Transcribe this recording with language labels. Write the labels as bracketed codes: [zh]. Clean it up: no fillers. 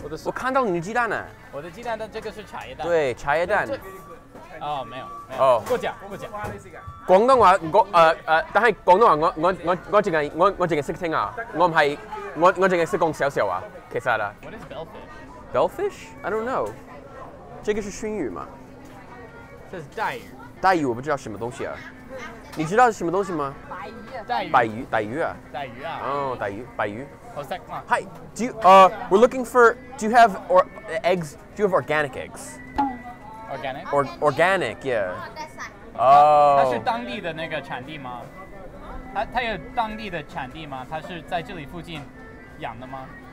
[zh] 我看到你的雞蛋了。我的雞蛋的這個是茶葉蛋。對,茶葉蛋。哦,沒有。哦,過獎,過獎。廣東話,但是廣東話我只識聽啊,我只識說小小啊,其實的。 [en] What is bellfish? Bellfish? I don't know. [zh] 這個是鯊魚嗎? [en] It says 帶魚. [zh] 帶魚我不知道什麼東西啊。你知道是什麼東西嗎? 帶魚。帶魚啊。哦,帶魚,帆魚。 [en] Hi, do you, we're looking for, do you have or eggs, do you have organic eggs? Organic? Organic, yeah. Oh. [zh] 它是当地的那个产地吗?它有当地的产地吗? 它是在这里附近养的吗?